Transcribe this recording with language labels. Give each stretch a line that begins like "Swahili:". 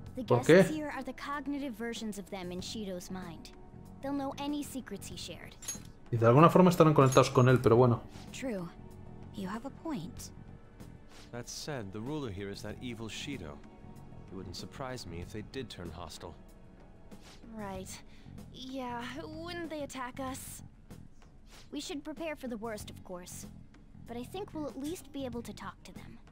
English: The guests here are the cognitive versions of them in Shido's mind. They'll know any secrets he shared.
Spanish: Y de alguna forma estarán conectados con él, pero bueno.
English: True. You have a point. That said, the ruler here is that evil Shido. It wouldn't surprise me if they did turn hostile. Right. Yeah, wouldn't they attack us? We should prepare for the worst, of course. But I think we'll at least be able to talk to them.